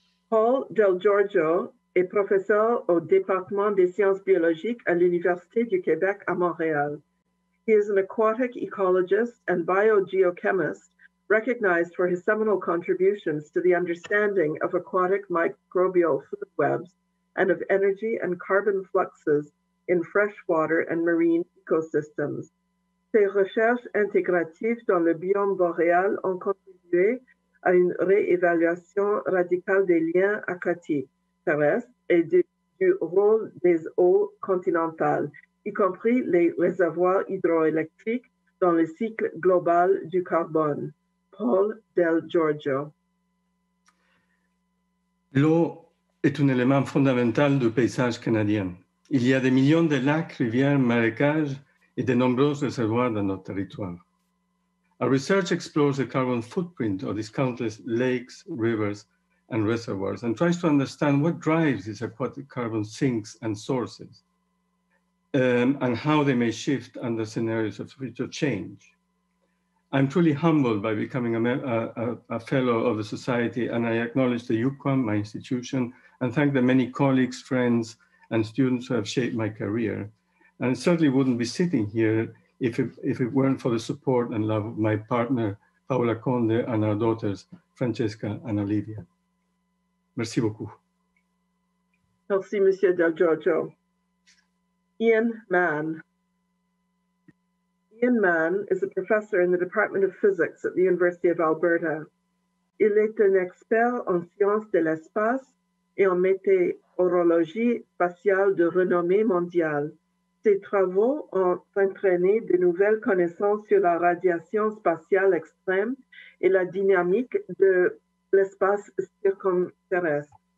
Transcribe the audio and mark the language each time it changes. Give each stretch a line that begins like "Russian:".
French: Paul Del Giorgio est professeur au département des sciences biologiques à l'Université du Québec à Montréal.
English: He is an aquatic ecologist and biogeochemist recognized for his seminal contributions to the understanding of aquatic microbial food webs and of energy and carbon fluxes in freshwater and marine ecosystems.
French: Ses recherches intégratives dans le biome boréal ont contribué à une réévaluation radicale des liens aquatiques terrestres et du rôle des eaux continentales, y compris les réservoirs hydroélectriques dans le cycle global du carbone. Paul Del Giorgio. L'eau est un élément fondamental du paysage canadien. Il y a des millions de lacs, rivières, marécages et de nombreux réservoirs dans notre territoire.
English: Our research explores the carbon footprint of these countless lakes, rivers, and reservoirs and tries to understand what drives these aquatic carbon sinks and sources and how they may shift under scenarios of future change. I'm truly humbled by becoming a fellow of the Society, and I acknowledge the UQAM, my institution, and thank the many colleagues, friends, and students who have shaped my career. And I certainly wouldn't be sitting here if it weren't for the support and love of my partner, Paola Conde, and our daughters, Francesca and Olivia.
French: Merci beaucoup. Merci, Monsieur Del Giorgio. Ian Mann.
English: Ian Mann is a professor in the Department of Physics at the University of Alberta.
French: Il est un expert en sciences de l'espace et en météorologie spatiale de renommée mondiale. Ses travaux ont entraîné de nouvelles connaissances sur la radiation spatiale extrême et la dynamique de l'espace circumterrestre.